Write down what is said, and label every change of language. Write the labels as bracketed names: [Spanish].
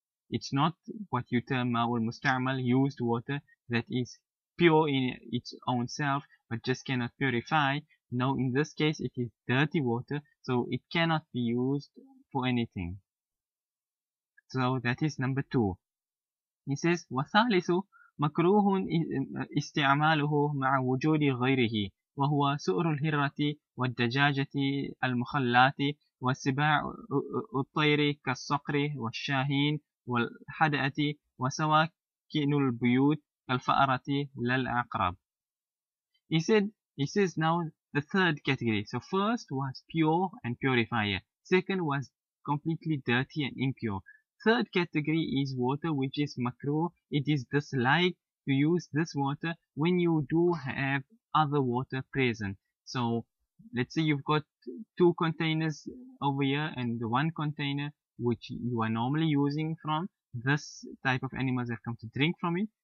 [English] It's not what you term ma'ul mustamal, used water that is pure in its own self, but just cannot purify. No, in this case, it is dirty water, so it cannot be used for anything. So that is number two. He says, [Arabic] وَثَالِثُ مَكْرُوهٌ إِسْتِعْمَالُهُ مَعَ وُجُودِ غَيْرِهِ وَهُوَ سُؤْرُ الْهِرَّةِ وَالدَّجَاجَةِ الْمُخَلَّاتِ وَالسِّبَاعُ الطَّيْرِ كَالصَّقْرِ وَالشَّاهِينِ وَالْحَدَأَةِ وَسَوَاكِنُ الْبُيُوتِ كَالْفَأَرَةِ لَلْأَقْرَبِ [English] He says now the third category. So first was pure and purifier. Second was completely dirty and impure. Third category is water which is makruh. It is disliked to use this water when you do have other water present. So let's say you've got two containers over here, and the one container which you are normally using from, this type of animals have come to drink from it.